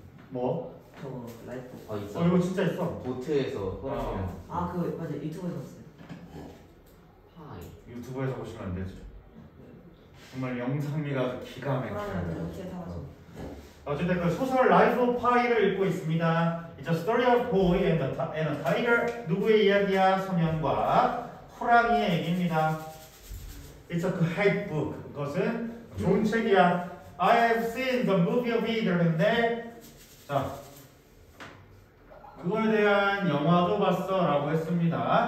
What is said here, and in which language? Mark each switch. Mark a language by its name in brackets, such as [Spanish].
[Korean] 뭐? 저 Life of Pi. 어, 이거 진짜 있어. 보트에서 호랑이. 아, 그 맞아. 유튜브에서 봤어요. 파이. 유튜브에서 보시면 안 되죠. 정말 영상미가 기가 막혀. 호랑이한테 어떻게 사라져. 어쨌든 그 소설 Life of Pi를 읽고 있습니다. [English] It's a story of boy and a tiger. [Korean] 누구의 이야기야? 소년과 호랑이의 얘기입니다. [English] It's a great book. [Korean] 그것은 좋은 책이야. [English] I have seen the movie of it. [Korean] 그런데 자 그거에 대한 영화도 봤어 라고 했습니다.